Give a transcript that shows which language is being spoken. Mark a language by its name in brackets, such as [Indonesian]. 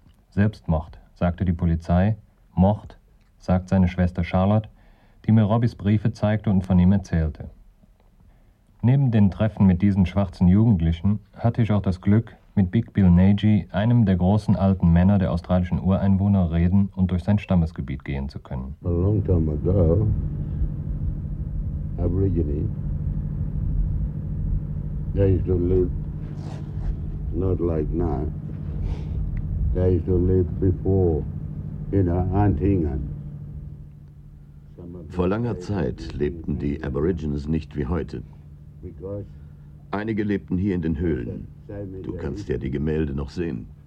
[German] Selbstmord, sagte die Polizei. Mord, sagt seine Schwester Charlotte, die mir Robbys Briefe zeigte und von ihm erzählte. Neben den Treffen mit diesen schwarzen Jugendlichen hatte ich auch das Glück, mit Big Bill Nagy, einem der großen alten Männer der australischen Ureinwohner, reden und durch sein Stammesgebiet gehen zu können. [English] A long time ago, Aborigine, they used to live not like now. They used to live before in a hunting and [German] vor langer Zeit lebten die Aborigines nicht wie heute. Einige lebten hier in den Höhlen. Du kannst ja die Gemälde noch sehen.